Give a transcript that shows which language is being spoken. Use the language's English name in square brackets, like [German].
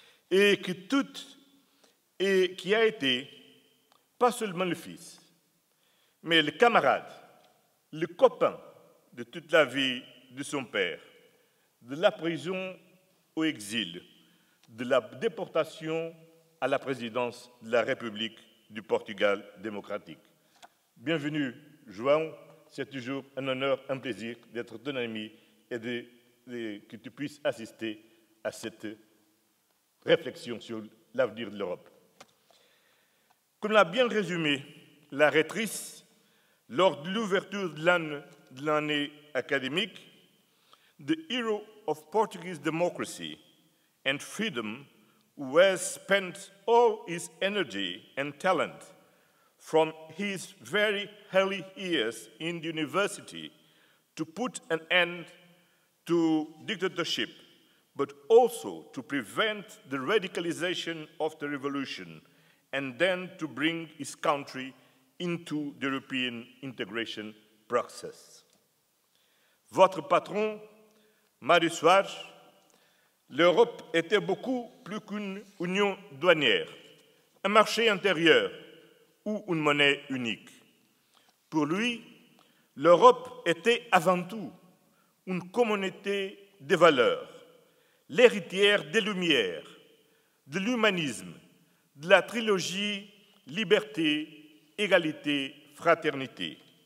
[French] et que tout et qui a été, pas seulement le fils, mais le camarade, le copain de toute la vie de son père, de la prison au exil, de la déportation à la présidence de la République du Portugal démocratique. Bienvenue, João, c'est toujours un honneur, un plaisir d'être ton ami et que tu puisses assister à cette réflexion sur l'avenir de l'Europe. Comme l'a bien résumé la rectrice lors de l'ouverture de l'année académique, [English] « The hero of Portuguese democracy and freedom who has spent all his energy and talent from his very early years in the university to put an end to dictatorship, but also to prevent the radicalization of the revolution and then to bring his country into the European integration process. [French] Votre patron, Mario Soares, l'Europe était beaucoup plus qu'une union douanière, un marché intérieur ou une monnaie unique. Pour lui, l'Europe était avant tout une communauté des valeurs, l'héritière des Lumières, de l'humanisme, de la trilogie Liberté, Égalité, Fraternité.